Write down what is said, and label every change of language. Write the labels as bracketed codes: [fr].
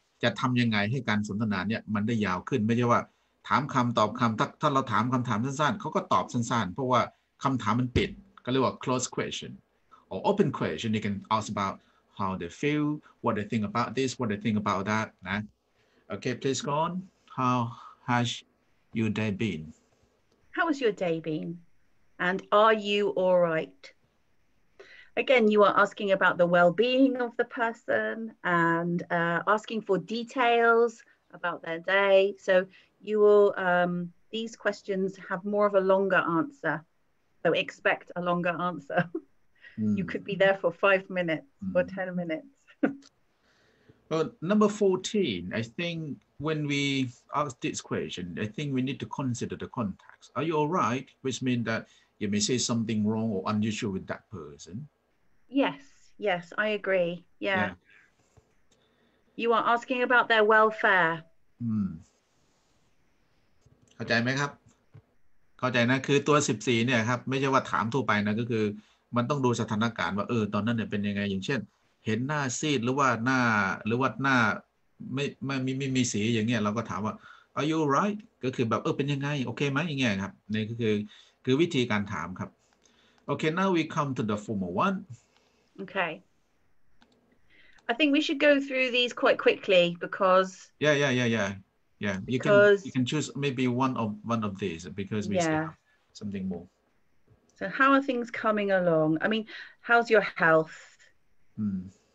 [th] จะทำยังไงให้การสนทนาเนี่ยมันได้ยาวขึ้นไม่ใช่ว่าถามคำตอบคำถ้าเราถามคำถามสั้นๆเขาก็ตอบสั้นๆเพราะว่าคำถามมันปิดก็เรียกว่า [en] close question or open question you can ask about how they feel what they think about this what they think about that นะ okay please go on how has your day been? How has your day been? And are you all right? Again, you are asking about the well-being of the person and asking for details about their day. So you will, these questions have more of a longer answer. So expect a longer answer. You could be there for 5 minutes or 10 minutes. Well, number 14, I think when we ask this question, I think we need to consider the context. Are you all right? Which means that you may say something wrong or unusual with that person. Yes, Yes, I agree. Yeah. Yeah. You are asking about their welfare. [th] เข้าใจไหมครับเข้าใจนะคือตัว14เนี่ยครับไม่ใช่ว่าถามทั่วไปนะก็คือมันต้องดูสถานการณ์ว่าเออตอนนั้นเนี่ยเป็นยังไงอย่างเช่นเห็นหน้าซีดหรือว่าหน้าหรือว่าหน้าไม่มีสีอย่างเงี้ยเราก็ถามว่า Are you right ก็คือแบบเออเป็นยังไงโอเคไหมอย่างเงี้ยครับนี่ก็คือวิธีการถามครับโอเค [en] now we come to the formal one Okay. I think we should go through these quite quickly because Yeah. You can choose maybe one of these because we still have something more. So how are things coming along? I mean, how's your health? Hmm.